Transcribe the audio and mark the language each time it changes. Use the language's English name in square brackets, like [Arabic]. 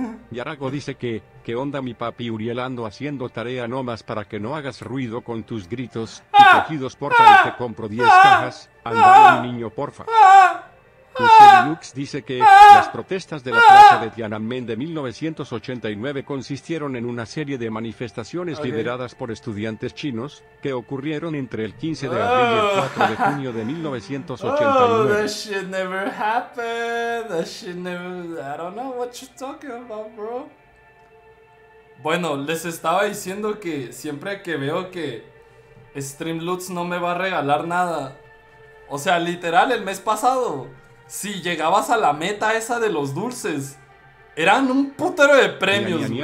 [Spanish] Yarago dice que, ¿qué onda mi papi Uriel? Ando haciendo tarea nomás para que no hagas ruido con tus gritos y cogidos, porfa, y te compro 10 cajas, andale mi niño, porfa. Lux dice que las protestas de la plaza de Tiananmen de 1989 consistieron en una serie de manifestaciones lideradas por estudiantes chinos que ocurrieron entre el 15 de abril y el 4 de junio de 1989. [English] Oh, that shit never happened. That shit never. I don't know what you're talking about, bro. [Spanish] Bueno, les estaba diciendo que siempre que veo que Streamlutz no me va a regalar nada, o sea, literal, el mes pasado, si llegabas a la meta esa de los dulces, eran un putero de premios.